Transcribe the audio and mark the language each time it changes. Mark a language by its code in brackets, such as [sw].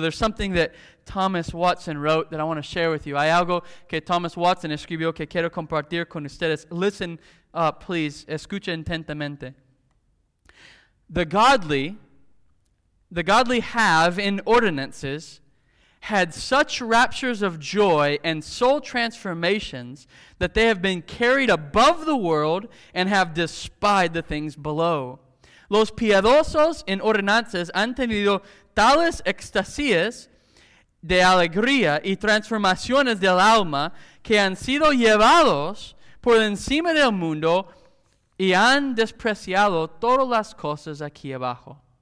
[en] There's something that Thomas Watson wrote that I want to share with you. [es] Hay algo que Thomas Watson escribió que quiero compartir con ustedes. [en] Listen up, please. [es] Escucha intentamente. [en] The godly have in ordinances had such raptures of joy and soul transformations that they have been carried above the world and have despised the things below. [es] Los piadosos en ordenanzas han tenido tales extasias de alegría y transformaciones del alma que han sido llevados por encima del mundo y han despreciado todas las cosas aquí abajo.